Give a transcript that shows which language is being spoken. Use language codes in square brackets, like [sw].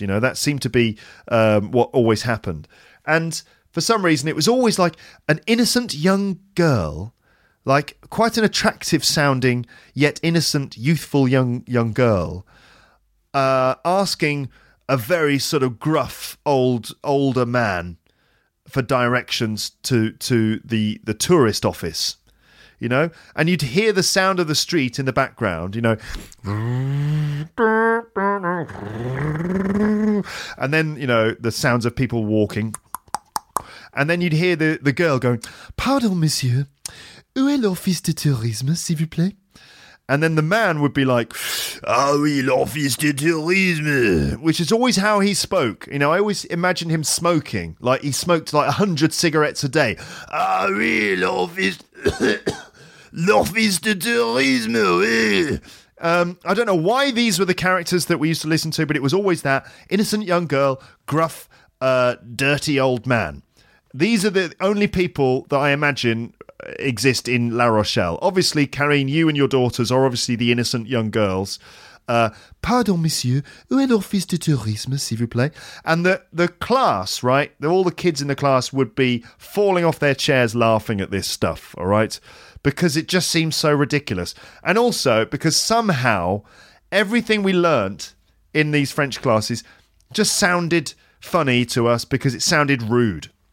[en] You know, that seemed to be what always happened. And for some reason, it was always like an innocent young girl, like quite an attractive sounding yet innocent, youthful young girl, asking a very sort of gruff older man for directions to the tourist office. You know, and you'd hear the sound of the street in the background, you know, and then, you know, the sounds of people walking. And then you'd hear the girl going, [fr] "Pardon, monsieur, où est l'office de tourisme, s'il vous plaît?" [en] And then the man would be like, [fr] "Ah oui, l'office de tourisme," [en] which is always how he spoke. You know, I always imagined him smoking, like he smoked like 100 cigarettes a day. [fr] "Ah oui, l'office..." "L'office de tourisme, oui." [en] I don't know why these were the characters that we used to listen to, but it was always that innocent young girl, gruff, dirty old man. These are the only people that I imagine exist in La Rochelle. Obviously, Karine, you and your daughters are obviously the innocent young girls. [fr] "Pardon, monsieur, où est l'office de tourisme, s'il vous plaît?" [en] And the class, right, all the kids in the class would be falling off their chairs laughing at this stuff, all right? Because it just seems so ridiculous. And also because somehow everything we learnt in these French classes just sounded funny to us because it sounded rude.